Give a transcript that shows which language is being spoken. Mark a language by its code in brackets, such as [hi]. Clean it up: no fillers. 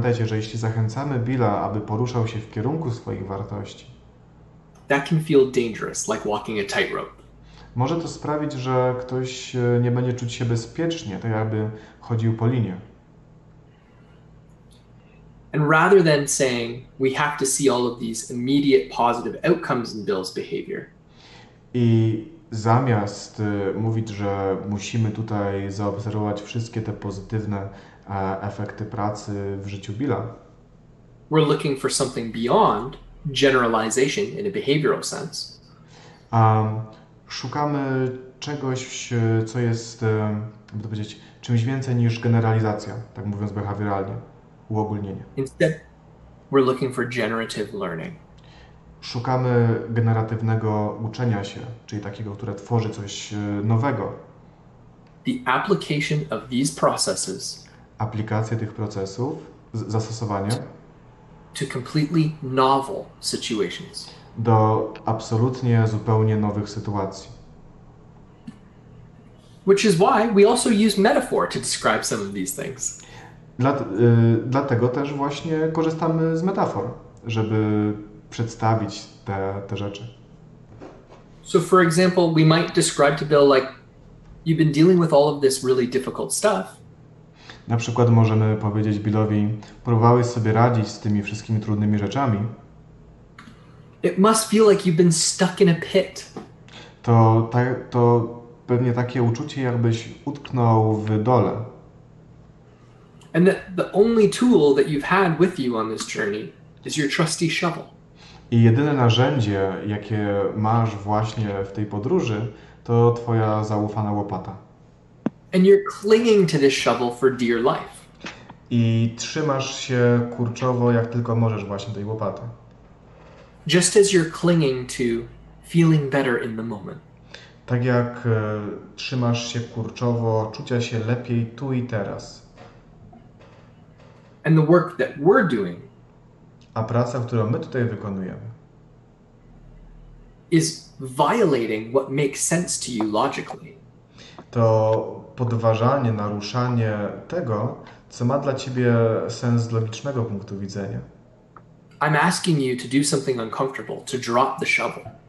[pl] jeśli zachęcamy Billa, aby poruszał się w kierunku swoich wartości, [en] that can feel dangerous, like walking a tightrope. [pl] Może to sprawić, że ktoś nie będzie czuć się bezpiecznie, tak jakby chodził po linie. [en] And rather than saying we have to see all of these immediate positive outcomes in Bill's behavior, [pl] i zamiast mówić, że musimy tutaj zaobserwować wszystkie te pozytywne efekty pracy w życiu Billa, [en] we're looking for something beyond generalization in a behavioral sense. [pl] Szukamy czegoś, co jest, jakby to powiedzieć, czymś więcej niż generalizacja, tak mówiąc behawioralnie, uogólnienie. [en] Instead, we're looking for generative learning. [pl] Szukamy generatywnego uczenia się, czyli takiego, które tworzy coś nowego. [en] The application of these processes, [pl] aplikacja tych procesów, zastosowanie [en] to completely novel situations, [pl] do absolutnie zupełnie nowych sytuacji. [en] Which is why we also use metaphor to describe some of these things. [pl] Dlatego też właśnie korzystamy z metafor, żeby przedstawić te rzeczy. [en] So for example, we might describe to Bill like you've been dealing with all of this really difficult stuff. [pl] Na przykład możemy powiedzieć Billowi, próbowałeś sobie radzić z tymi wszystkimi trudnymi rzeczami. [en] It must feel like you've been stuck in a pit. [pl] To pewnie takie uczucie, jakbyś utknął w dole. [en] And that the only tool that you've had with you on this journey is your trusty shovel. [pl] I jedyne narzędzie, jakie masz właśnie w tej podróży, to twoja zaufana łopata. [en] And you're clinging to this shovel for dear life. [pl] I trzymasz się kurczowo, jak tylko możesz właśnie tej łopaty. [en] Just as you're clinging to feeling better in the moment. [pl] Tak jak trzymasz się kurczowo, czucia się lepiej tu i teraz. [en] And the work that we're doing, [pl] a praca, którą my tutaj wykonujemy, [en] is violating what makes sense to you logically. [pl] To podważanie, naruszanie tego, co ma dla ciebie sens z logicznego punktu widzenia. [en] I'm asking you to do something uncomfortable, to drop the shovel.